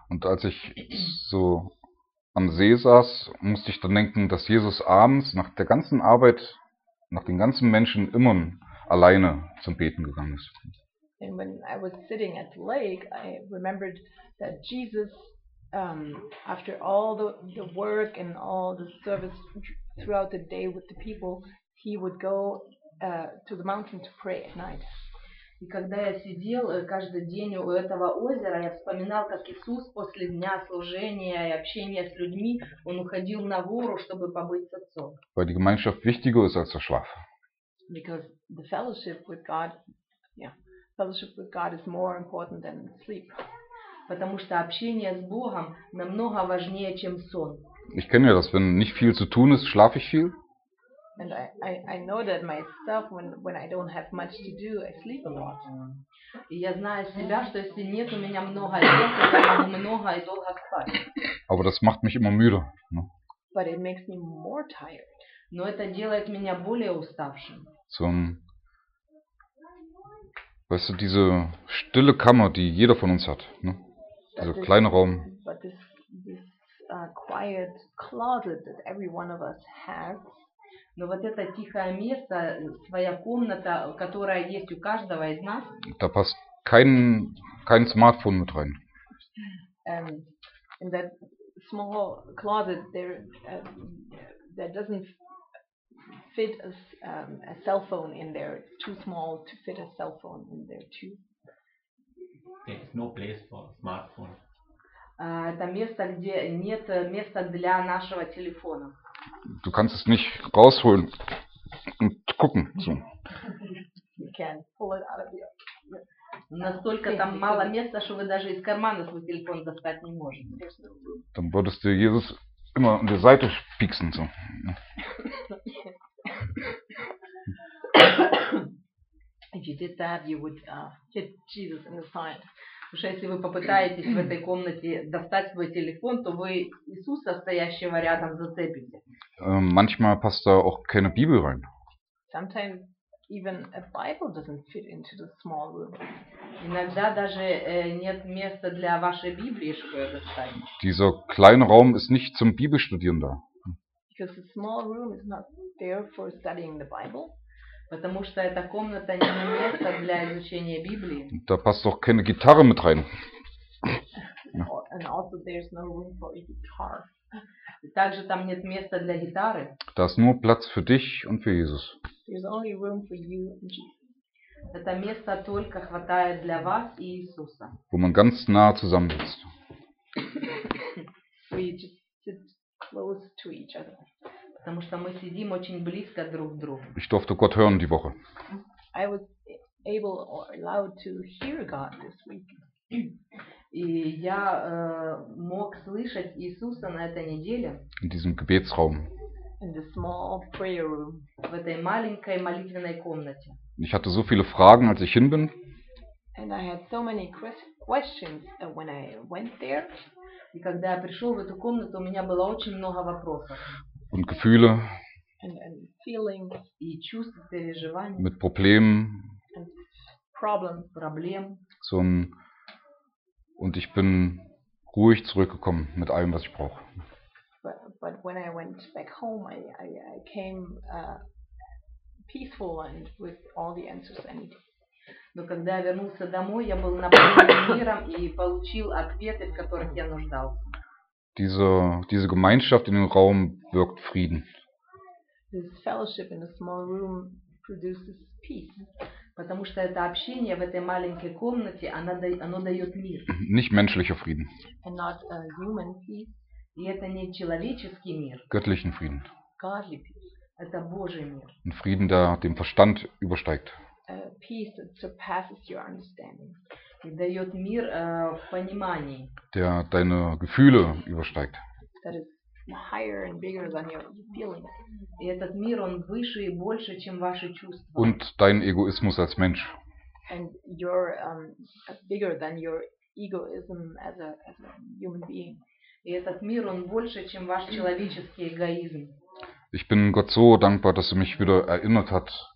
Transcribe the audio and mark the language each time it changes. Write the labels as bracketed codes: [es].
[de] Und als ich so am See saß, musste ich dann denken, dass Jesus abends nach der ganzen Arbeit, nach den ganzen Menschen immer alleine zum Beten gegangen ist. [en] And when I was sitting at the lake, I remembered that Jesus, after all the work and all the service throughout the day with the people, he would go to the mountain to pray at night. [ru] И когда я сидел каждый день у этого озера, я вспоминал, как Иисус после дня служения и общения с людьми, он уходил на гору, чтобы побыть с Отцом. [de] Weil die Gemeinschaft wichtiger ist als der Schlaf. [en] Because the fellowship with God, fellowship with God is more important than sleep. [ru] Потому что общение с Богом намного важнее, чем сон. [de] Ich kenne ja das, wenn nicht viel zu tun ist, schlafe ich viel. [en] And I know that myself when I don't have much to do, I sleep a lot. [ru] Я знаю себя, что если нет у меня много дел, то я много и долго спать. [de] Aber das macht mich immer müde. Ne? [en] But it makes me more tired. [ru] Но это делает меня более уставшим. [de] So, weißt du, diese stille Kammer, die jeder von uns hat, ne? Dieser kleine Raum. [en] But this quiet closet that every one of us has. [ru] Но вот это тихое место, своя комната, которая есть у каждого из нас. [de] Da passt kein Smartphone mit rein. [en] In that small closet there there doesn't fit a cell phone in there. It's too small to fit a cell phone in there too. There's no place for smartphone. [ru] Это место, где нет места для нашего телефона. [de] Du kannst es nicht rausholen und gucken. So. [en] You can pull it out of your... [ru] Настолько там мало места, что вы даже из кармана свой телефон достать не можете. [de] Dann würdest du Jesus immer an der Seite pieksen. So. [en] If you did that, you would hit Jesus in the side. [ru] Потому что если вы попытаетесь в этой комнате достать свой телефон, то вы Иисуса, стоящего рядом, зацепите. [de] Manchmal passt da auch keine Bibel rein. [en] Sometimes even a Bible doesn't fit into the small room. [ru] Иногда даже нет места для вашей Библии, чтобы ее достать. [de] Dieser kleine Raum ist nicht zum Bibelstudieren da. [en] Because the small room is not there for studying the Bible. [ru] Потому что эта комната не место для изучения Библии. [de] Da passt doch keine Gitarre mit rein. [en] And also there's no room for a guitar. [ru] Также там нет места для гитары. [de] Da ist nur Platz für dich und für Jesus. [en] There's only room for you and Jesus. [ru] Это место только хватает для вас и Иисуса. [de] Wo man ganz nah zusammen sitzt. [en] We just sit close to each other. [ru] Потому что мы сидим очень близко друг к другу. [de] Ich durfte Gott hören die Woche. [en] I was able or allowed to hear God this week. [ru] И я мог слышать Иисуса на этой неделе. [de] In diesem Gebetsraum. [en] In the small prayer room. [ru] В этой маленькой молитвенной комнате. [de] Ich hatte so viele Fragen, als ich hin bin. [en] And I had so many questions when I went there. [ru] И когда я пришел в эту комнату, у меня было очень много вопросов. [de] Und Gefühle. [en] And feelings. [ru] И чувства, переживания. [de] Mit Problemen. [en] And problems. Problem. [de] So ein, und ich bin ruhig zurückgekommen mit allem, was ich brauche. [en] But when I went back home, I came peaceful and with all the answers I need. [ru] Но когда я вернулся домой, я был наполнен миром и получил ответы, в которых я нуждался. [de] Diese Gemeinschaft in dem Raum wirkt Frieden. [en] This fellowship in a small room produces peace. [ru] Потому что это общение в этой маленькой комнате, оно дает мир. [de] Nicht menschlicher Frieden. [en] And not a human peace. [ru] И это не человеческий мир. [de] Göttlichen Frieden. [en] Godly peace. [ru] Это Божий мир. [de] Ein Frieden, der dem Verstand übersteigt. [en] A peace that surpasses your understanding. [ru] Дает мир в понимании. [de] Der deine Gefühle übersteigt. [en] That is higher and bigger than your feelings. [ru] И этот мир, он выше и больше, чем ваши чувства. [de] Und dein Egoismus als Mensch. [en] And your bigger than your egoism as a human being. [ru] И этот мир, он больше, чем ваш человеческий эгоизм. [de] Ich bin Gott so dankbar, dass er mich wieder erinnert hat.